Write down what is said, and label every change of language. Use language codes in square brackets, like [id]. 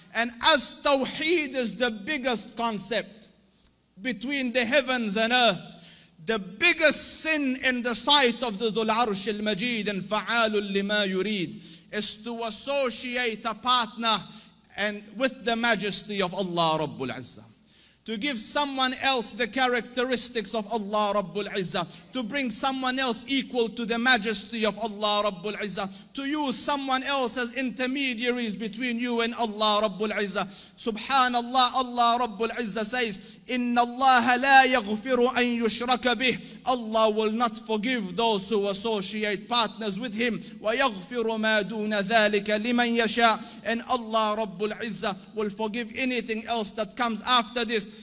[en] And as Tawheed is the biggest concept between the heavens and earth, the biggest sin in the sight of the Dhul Arsh al-Majid and Fa'alul Lima Yureed is to associate a partner and with the majesty of Allah Rabbul Izzah. To give someone else the characteristics of Allah Rabbul Izzah. To bring someone else equal to the majesty of Allah Rabbul Izzah. To use someone else as intermediaries between you and Allah Rabbul Izzah. Subhanallah, Allah Rabbul Izzah says, [ar] إِنَّ اللَّهَ لَا يَغْفِرُ أَن يُشْرَكَ بِهِ. [en] Allah will not forgive those who associate partners with him. [ar] وَيَغْفِرُ مَا دُونَ ذَلِكَ لِمَن يَشَاءُ. [en] And Allah Rabbul Izzah will forgive anything else that comes after this.